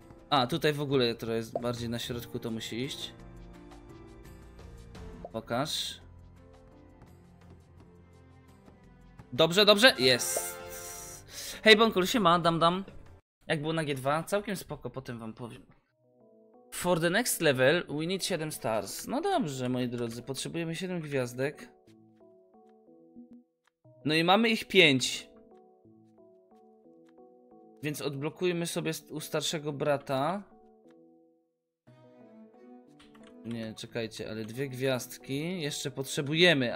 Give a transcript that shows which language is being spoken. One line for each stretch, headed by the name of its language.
Polish: A, tutaj w ogóle trochę jest bardziej na środku, to musi iść. Pokaż. Dobrze, dobrze, jest. Hej, Bonkul, siema, dam. Jak było na G2? Całkiem spoko, potem wam powiem.
English: For the next level, we need 7 stars.
Polish: No dobrze, moi drodzy, potrzebujemy 7 gwiazdek. No i mamy ich 5. Więc odblokujmy sobie u starszego brata. Nie, czekajcie, ale 2 gwiazdki jeszcze potrzebujemy.